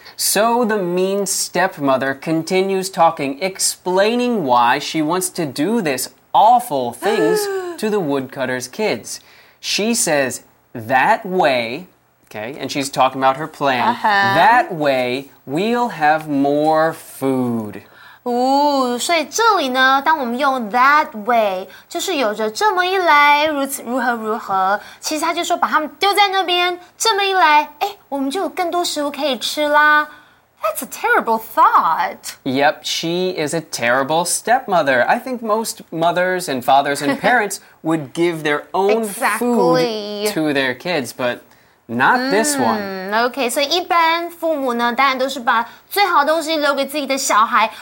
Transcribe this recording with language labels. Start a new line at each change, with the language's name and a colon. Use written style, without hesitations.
English: So the mean stepmother continues talking, explaining why she wants to do this awful things to the woodcutter's kids. She says, that way, okay, and she's talking about her plan, that way we'll have more food.
Chinese: 所以这里呢当我们用 that way 就是有着这么一来如此如何如何其实他就说把他们丢在那边这么一来诶我们就有更多食物可以吃啦
English: That's a terrible thought Yep, she is a terrible stepmother I think most mothers and fathers and parents would give their own food to their kids butNot this one.
Chinese: Okay, so 一般父母呢，当然都是把最好东西留给自己的小孩。